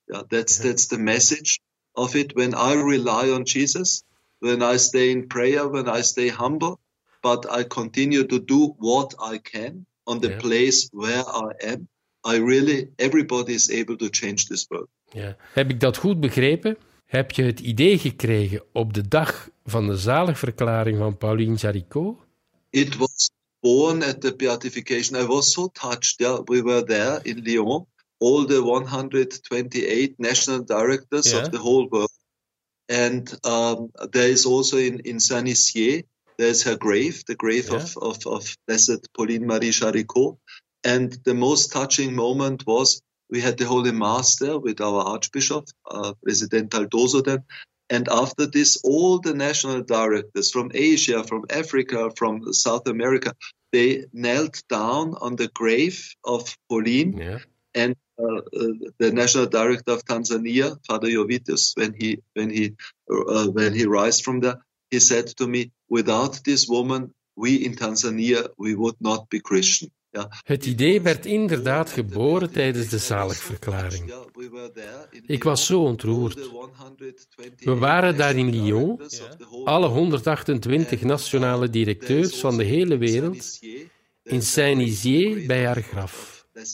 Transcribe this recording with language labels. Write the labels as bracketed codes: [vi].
[en] Yeah, that's the message of it. When I rely on Jesus, when I stay in prayer, when I stay humble, but I continue to do what I can. On the place where I am, I really, everybody is able to change this world. [nl] Ja. Heb ik dat goed begrepen? Heb je het idee gekregen op de dag van de zaligverklaring van Paulien Jaricot? [en] It was born at the beatification. I was so touched. Yeah, we were there in Lyon, all the 128 national directors of the whole world. And there is also in Saint-Nizier, there's her grave, the grave of Blessed Paulien Marie Jaricot. And the most touching moment was we had the Holy Mass there with our Archbishop, President Aldoso then. And after this, all the national directors from Asia, from Africa, from South America, they knelt down on the grave of Paulien. Yeah. And the national director of Tanzania, Father Jovitus, when he rise from there, he said to me, without this woman, we in Tanzania, we would not be Christian. Yeah. [nl] Het idee werd inderdaad geboren tijdens de zaligverklaring. Ik was zo ontroerd. We waren daar in Lyon, alle 128 nationale directeurs van de hele wereld, in Saint-Nizier bij haar graf.